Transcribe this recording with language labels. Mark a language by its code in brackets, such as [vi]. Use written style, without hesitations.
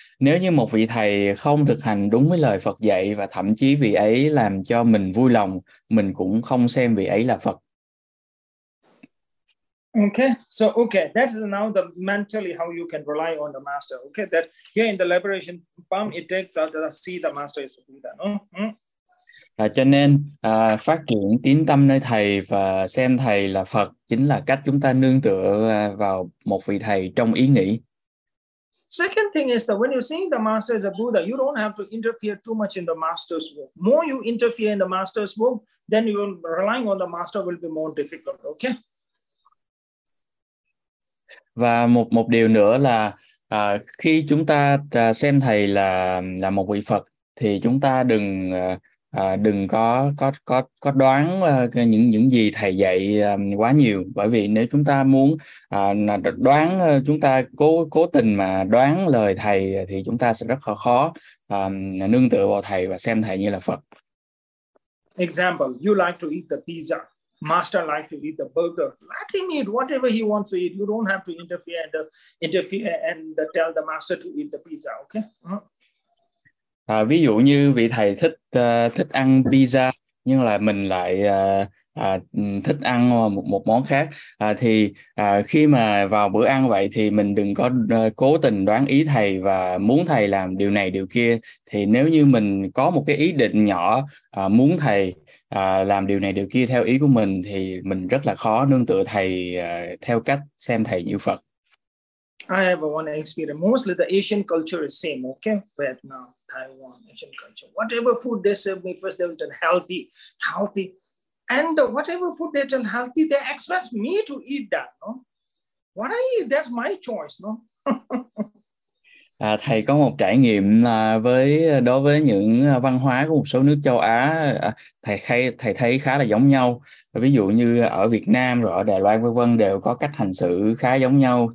[vi] Nếu như một vị thầy không thực hành đúng với lời Phật dạy và thậm chí vị ấy làm cho mình vui lòng, mình cũng không xem vị ấy là Phật. [en] Okay, so okay, that is now the mentally how you can rely on the master. Okay, that here in the liberation palm, it takes out to see the master is a Buddha. No? [vi] Cho nên phát triển tín tâm nơi thầy và xem thầy là Phật chính là cách chúng ta nương tựa vào một vị thầy trong ý nghĩ. [en] Second thing is that when you see the master is a Buddha, you don't have to interfere too much in the master's work. More you interfere in the master's work, then you relying on the master will be more difficult. Okay. [vi] Và một điều nữa là khi chúng ta xem thầy là một vị Phật, thì chúng ta đừng đừng có đoán những gì thầy dạy quá nhiều, bởi vì nếu chúng ta muốn đoán, chúng ta cố tình mà đoán lời thầy, thì chúng ta sẽ rất khó nương tựa vào thầy và xem thầy như là Phật. [en] Example, you like to eat the pizza. Master like to eat the burger. Let him eat whatever he wants to eat. You don't have to interfere and tell the master to eat the pizza. Okay. [vi] Ví dụ như vị thầy thích thích ăn pizza, nhưng là mình lại thích ăn một món khác, thì khi mà vào bữa ăn vậy thì mình đừng có cố tình đoán ý thầy và muốn thầy làm điều này điều kia. Thì nếu như mình có một cái ý định nhỏ muốn thầy làm điều này điều kia theo ý của mình, thì mình rất là khó nương tựa thầy theo cách xem thầy như Phật. [en] I have one experience. Mostly the Asian culture is same, okay? Vietnam, Taiwan, Asian culture. Whatever food they serve me, first they'll turn healthy, healthy. And whatever food they turn healthy, they expect me to eat that, no? What I eat, that's my choice, no? [vi] Thầy có một trải nghiệm với đối với những văn hóa của một số nước châu Á, thầy thấy khá là giống nhau. Ví dụ như ở Việt Nam rồi ở Đài Loan vân vân đều có cách hành xử khá giống nhau.